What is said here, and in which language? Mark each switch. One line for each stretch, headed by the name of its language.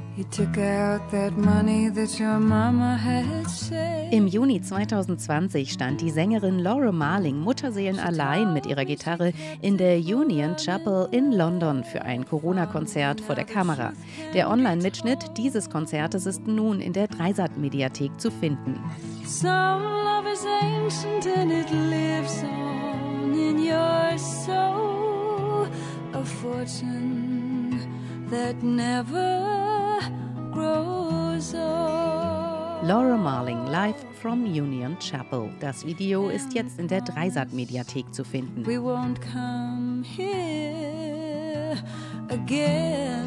English: Took out that money that your mama had saved.
German: Im Juni 2020 stand die Sängerin Laura Marling mutterseelenallein mit ihrer Gitarre in der Union Chapel in London für ein Corona-Konzert vor der Kamera. Der Online-Mitschnitt dieses Konzertes ist nun in der Dreisat-Mediathek zu finden.
English: Some love is ancient and it lives on in your soul. A fortune that never grows old. Laura Marling live from Union Chapel.
German: Das Video ist jetzt in der Dreisat-Mediathek zu finden.
English: We won't come here again.